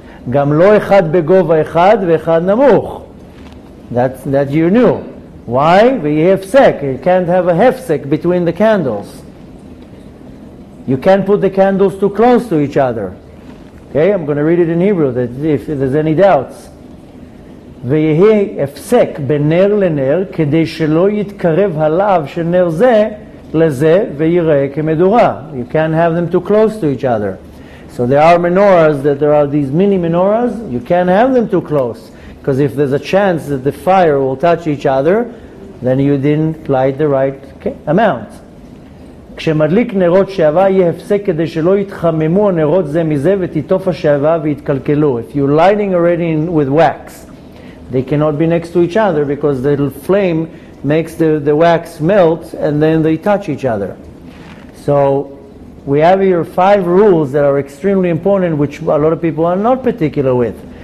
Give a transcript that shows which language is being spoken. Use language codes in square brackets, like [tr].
[he] Gam lo echad begova echad ve'echad namuch. [en] That you knew. Why? [he] Ve'yehefsek. [en] You can't have a hefsek between the candles. You can't put the candles too close to each other. Okay, I'm going to read it in Hebrew, that if there's any doubts. [he] ויהי הפסק בנר לנר, כדי שלא יתקרב הלאו של נר זה לזה, ויראה כמדורה. [en] You can't have them too close to each other. So there are menorahs, that there are these mini menorahs, you can't have them too close. Because if there's a chance that the fire will touch each other, then you didn't light the right amount. [he] כשמדליק נרות שעבה, יהיה הפסק כדי שלא יתחממו הנרות זה מזה, ותיטוף השעבה ויתקלקלו. [en] If you're lighting already with wax, they cannot be next to each other because the flame makes the wax melt and then they touch each other. So we have here five rules that are extremely important, which a lot of people are not particular with.